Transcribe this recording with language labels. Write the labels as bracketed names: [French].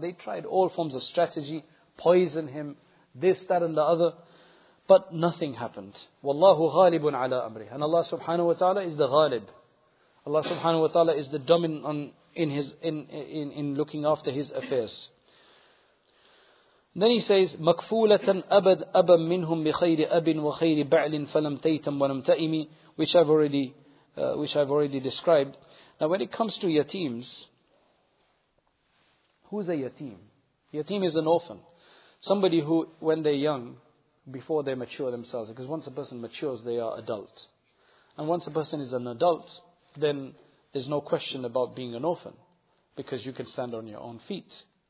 [English] They tried all forms of strategy, poison him, this, that and the other. But nothing happened. [Arabic] Wallahu ghalibun ala amri. [English] And Allah subhanahu wa ta'ala is the ghalib. Allah subhanahu wa ta'ala is the dominant in looking after his affairs. Then he says, [Arabic] مَكْفُولَةً أَبَدْ أَبًا مِّنْهُمْ بِخَيْرِ أَبٍ وَخَيْرِ بَعْلٍ فَلَمْ تَيْتَمْ وَلَمْ تَأِمِي, [English] which I've already described. Now when it comes to yatims, who's a yatim? Yatim is an orphan. Somebody who, when they're young, before they mature themselves, because once a person matures, they are adult. And once a person is an adult, then there's no question about being an orphan, because you can stand on your own feet.